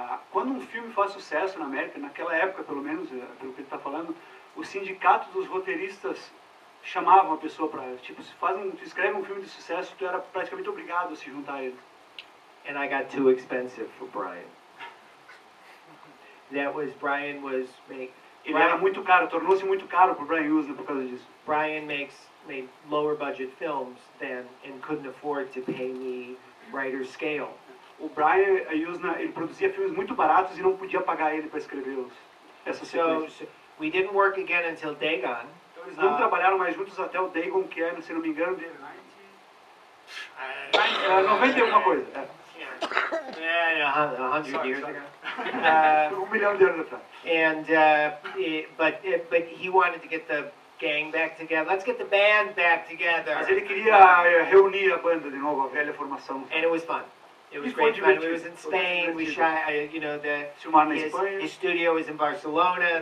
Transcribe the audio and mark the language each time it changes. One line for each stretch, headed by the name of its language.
Portuguese: Quando filme faz sucesso na América, naquela época pelo menos, pelo que ele está falando, o sindicato dos roteiristas chamava a pessoa para, tipo, se escreve um filme de sucesso, tu era praticamente obrigado a se juntar a ele.
English: And I got too expensive for Brian. That was, Brian was making...
Portuguese: Ele era muito caro, tornou-se muito caro para o Brian Usman por causa disso.
English: Brian made lower budget films than, and couldn't afford to pay me writer scale.
Portuguese: O Brian Usman, ele produzia filmes muito baratos e não podia pagar ele para escrevê-los.
English: So we didn't work again until Dagon.
Portuguese: Então eles não trabalharam mais juntos até o Dagon, que era, se não me engano, de 91 coisa.
English: But he wanted to get the gang back together. Let's get the band back together.
Portuguese: Mas ele queria reunir a banda de novo, a velha formação.
English: And it was fun. It was great fun. We was in Spain. We shot, you know, his studio is in Barcelona.